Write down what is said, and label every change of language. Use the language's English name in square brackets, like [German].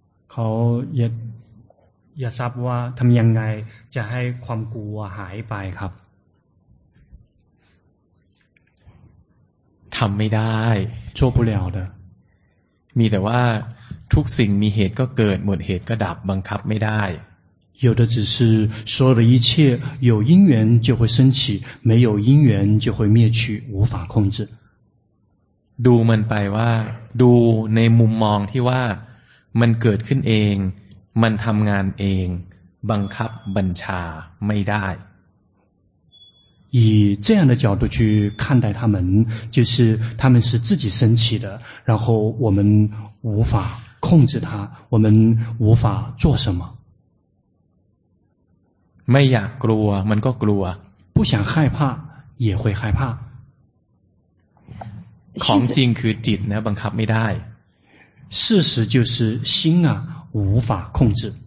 [Thai] เขาอยากทราบว่าทำยังไงจะให้ความกลัวหายไปครับ ทำไม่ได้ [Chinese] 做不了的 [Thai] มีแต่ว่าทุกสิ่งมีเหตุก็เกิดหมดเหตุก็ดับบังคับไม่ได้ [Chinese] 有的只是所有的一切有因缘就会升起没有因缘就会灭去无法控制 [Thai] ดูมันไปว่าดูในมุมมองที่ว่ามันเกิดขึ้นเองมันทำงานเองบังคับบัญชาไม่ได้ [Chinese] 以这样的角度去看待他们，就是他们是自己升起的，然后我们无法控制他，我们无法做什么。 [Thai] ไม่อยากกลัว，มันก็กลัว。 [Chinese] 不想害怕，也会害怕。 [Thai] ของจริงคือจิตนะ，บังคับไม่ได้。 [Chinese] 事实就是心啊，无法控制。